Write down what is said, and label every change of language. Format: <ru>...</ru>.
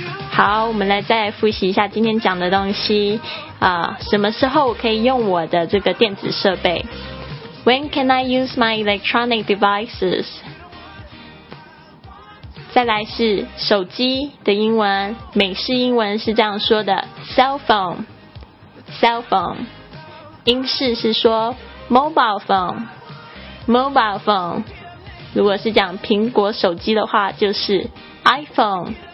<zh>好，我们来再复习一下今天讲的东西啊。什么时候我可以用我的这个电子设备？</zh> <en>When can I use my electronic devices?</en> <zh>再来是手机的英文，美式英文是这样说的 cell phone， 英式是说 mobile phone， 如果是讲苹果手机的话就是 iPhone，</zh>